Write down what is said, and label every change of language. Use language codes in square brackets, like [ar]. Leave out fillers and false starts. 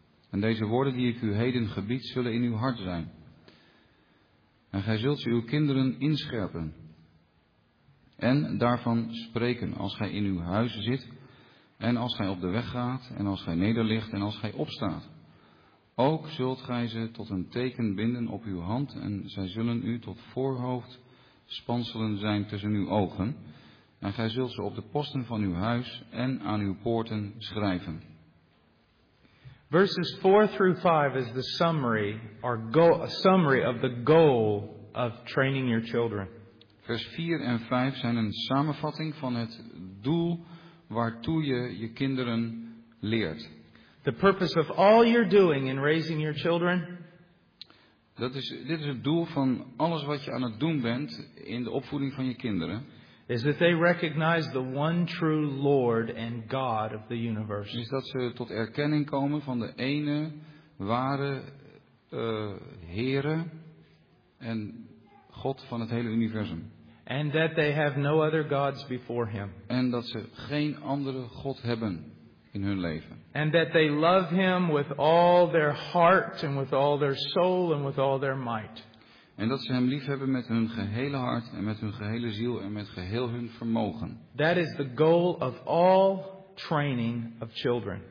[nl] En deze woorden die ik u heden gebied zullen in uw hart zijn. En gij zult ze uw kinderen inscherpen en daarvan spreken als gij in uw huis zit en als gij op de weg gaat en als gij nederligt en als gij opstaat. Ook zult gij ze tot een teken binden op uw hand en zij zullen u tot voorhoofd spanselen zijn tussen uw ogen. En gij zult ze op de posten van uw huis en aan uw poorten schrijven. [en] Verses 4 through 5 is the summary, or summary of the goal of training your children. [nl] Vers 4 en 5 zijn een samenvatting van het doel waartoe je je kinderen leert. [en] The purpose of all you're doing in raising your children. [nl] Dit is het doel van alles wat je aan het doen bent in de opvoeding van je kinderen. [en] Is that they recognize the one true Lord and God of the universe. [nl] Is dat ze tot erkenning komen van de ene ware Heere en God van het hele universum. [en] And that they have no other gods before him. [nl] En dat ze geen andere God hebben in hun leven. [en] And that they love him with all their heart and with all their soul and with all their might. [nl] En dat ze hem lief hebben met hun gehele hart en met hun gehele ziel en met geheel hun vermogen. [en] That is the goal of all training of children.